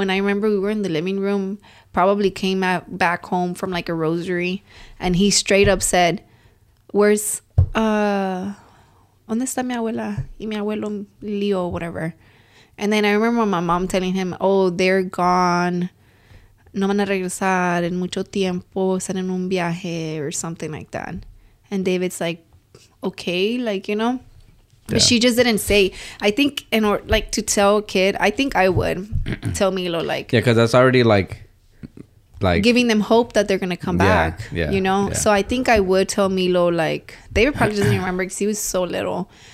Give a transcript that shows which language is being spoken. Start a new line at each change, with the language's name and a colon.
English: And I remember we were in the living room, probably came back home from like a rosary. And he straight up said, where's,
Spanish: ¿dónde está mi abuela y mi abuelo Leo,
English: whatever. And then I remember my mom telling him, oh, they're gone.
Spanish: No van a regresar en mucho tiempo, están en un viaje
English: or something like that. And David's like, okay, like, you know. Yeah. But she just didn't say. I think in order, like, to tell a kid, I think I would tell Milo, like. Yeah, because that's already like giving them hope that they're going to come back, yeah, you know. Yeah. So I think I would tell Milo, like, David probably doesn't remember because he was so little.